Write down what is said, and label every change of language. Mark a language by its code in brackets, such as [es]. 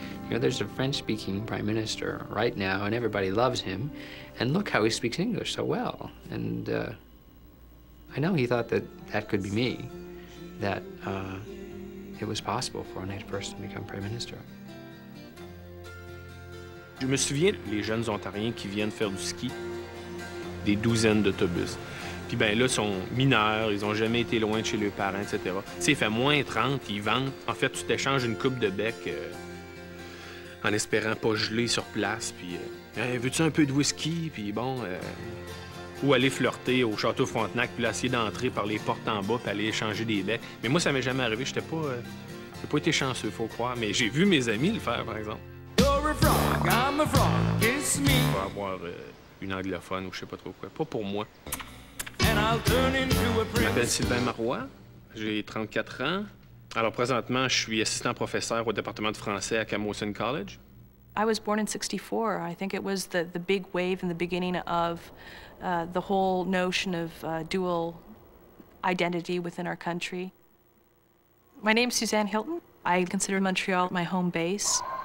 [en] You know, there's a French-speaking prime minister right now, and everybody loves him. And look how he speaks English so well. And I know he thought that that could be me, that it was possible for a native person to become prime minister. [fr] Je me souviens les jeunes Ontariens qui viennent faire du ski, des douzaines d'autobus. Puis ben là, ils sont mineurs, ils ont jamais été loin de chez leurs parents, etc. Tu sais, il fait moins 30, ils ventent. En fait, tu t'échanges une coupe de bec en espérant pas geler sur place. Puis, veux-tu un peu de whisky? Puis bon, ou aller flirter au Château Frontenac, puis là, essayer d'entrer par les portes en bas, puis aller échanger des becs. Mais moi, ça m'est jamais arrivé. J'étais pas. J'ai pas été chanceux, faut croire. Mais j'ai vu mes amis le faire, par exemple. [en] You're a frog, I'm a frog, kiss me. [fr] Pour avoir une anglophone ou je sais pas trop quoi. Pas pour moi. Je m'appelle Sylvain Marois, j'ai 34 ans. Alors présentement, je suis assistant professeur au département de français à Camosun College. [en] I was born in 64. I think it was the big wave in the beginning of the whole notion of dual identity within our country. My name is Suzanne Hilton. I consider Montreal my home base.